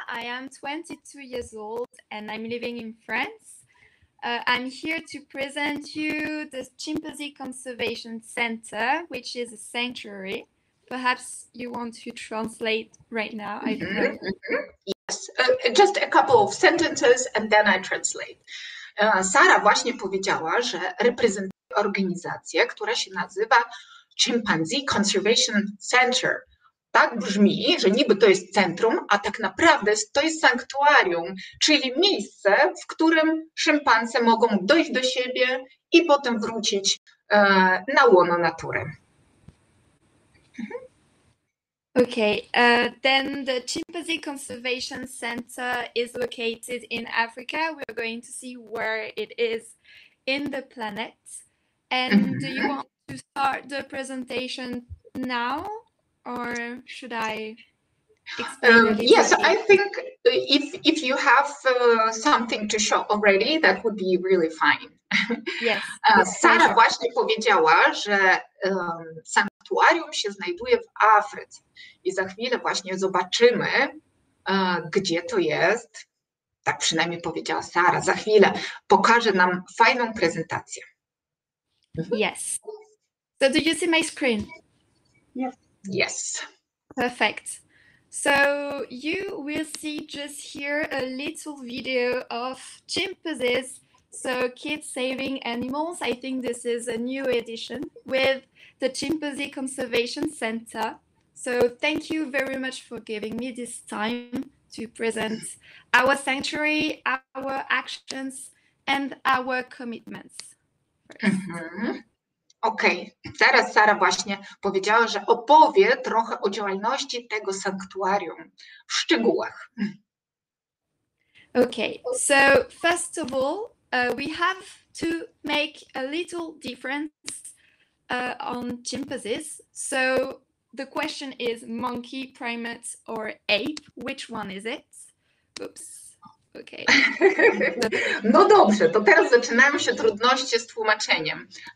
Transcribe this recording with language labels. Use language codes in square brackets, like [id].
[en] I am 22 years old and I'm living in France. I'm here to present you the Chimpanzee Conservation Center, which is a sanctuary. Perhaps you want to translate right now, I don't know. Yes, just a couple of sentences and then I translate. [pl] Sara właśnie powiedziała, że reprezentuje organizację, która się nazywa Chimpanzee Conservation Center. Tak brzmi, że niby to jest centrum, a tak naprawdę to jest sanktuarium, czyli miejsce, w którym szympanse mogą dojść do siebie i potem wrócić na łono natury. [en] Okay, then the Chimpanzee Conservation Center is located in Africa. We're going to see where it is in the planet. And do you want to start the presentation now? Or should I explain? Yes, I think if you have something to show already, that would be really fine. Yes. Sara sure. [pl] właśnie powiedziała, że sanktuarium się znajduje w Afryce i za chwilę właśnie zobaczymy, gdzie to jest. Tak przynajmniej powiedziała Sara. Za chwilę pokaże nam fajną prezentację. [en] Yes. So do you see my screen? Yes. Yes. Perfect. So you will see just here a little video of chimpanzees, so kids saving animals. I think this is a new edition with the Chimpanzee Conservation Center. So thank you very much for giving me this time to present our sanctuary, our actions, and our commitments. Okej, okay. [pl] Teraz Sara właśnie powiedziała, że opowie trochę o działalności tego sanktuarium w szczegółach. [en] Okay, so first of all, we have to make a little difference on chimpanzees. So the question is monkey, primate or ape, which one is it? Oops, okay. [pl] No dobrze, to teraz zaczynają się trudności z tłumaczeniem.